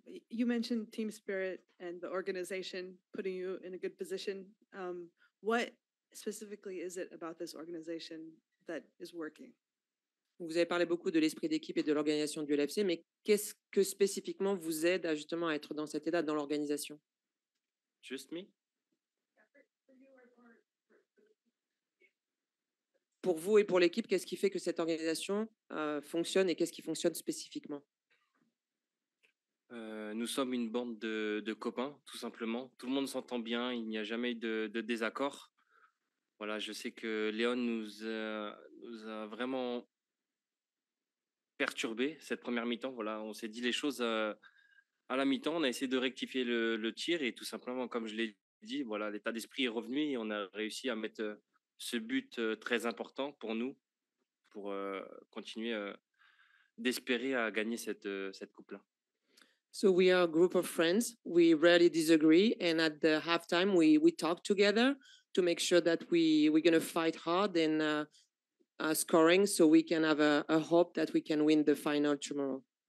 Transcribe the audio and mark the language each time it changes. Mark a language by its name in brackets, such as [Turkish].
[English] You mentioned team spirit and the organization putting you in a good position. What specifically is it about this organization that is working? [French] Vous avez parlé beaucoup de l'esprit d'équipe et de l'organisation du LFC, mais qu'est-ce que spécifiquement vous aide à justement être dans cet état, dans l'organisation? [English] Just me? [French] Pour vous et pour l'équipe, qu'est-ce qui fait que cette organisation fonctionne et qu'est-ce qui fonctionne spécifiquement? Nous sommes une bande de copains, tout simplement. Tout le monde s'entend bien, il n'y a jamais eu de désaccord. Voilà, je sais que Léon nous a vraiment perturbé cette première mi-temps. Voilà, on s'est dit les choses à la mi-temps, on a essayé de rectifier le tir et tout simplement, comme je l'ai dit, voilà, l'état d'esprit est revenu et on a réussi à mettre ce but très important pour nous, pour continuer d'espérer à gagner cette coupe-là. [English] So we are a group of friends. We rarely disagree. And at the halftime, we talk together to make sure that we're going to fight hard and scoring so we can have a hope that we can win the final tomorrow.